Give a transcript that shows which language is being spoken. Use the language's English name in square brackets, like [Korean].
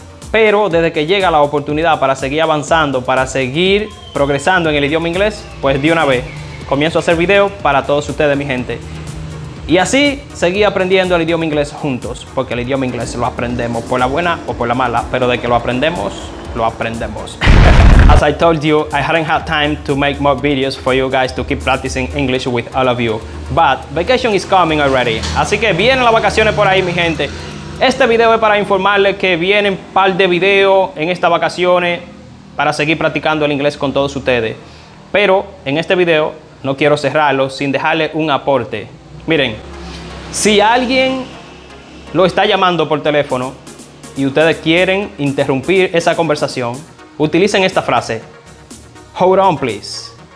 [Spanish] Pero desde que llega la oportunidad para seguir avanzando, para seguir progresando en el idioma inglés, pues de una vez comienzo a hacer videos para todos ustedes, mi gente. Y así seguí aprendiendo el idioma inglés juntos, porque el idioma inglés lo aprendemos por la buena o por la mala, pero de que lo aprendemos, lo aprendemos. [English] As I told you, I hadn't had time to make more videos for you guys to keep practicing English with all of you. But vacation is coming already. [Spanish] Así que vienen las vacaciones por ahí, mi gente. Este video es para informarles que vienen un par de videos en estas vacaciones para seguir practicando el inglés con todos ustedes. Pero en este video no quiero cerrarlo sin dejarle un aporte. Miren, si alguien lo está llamando por teléfono y ustedes quieren interrumpir esa conversación, utilicen esta frase: [English] hold on, please.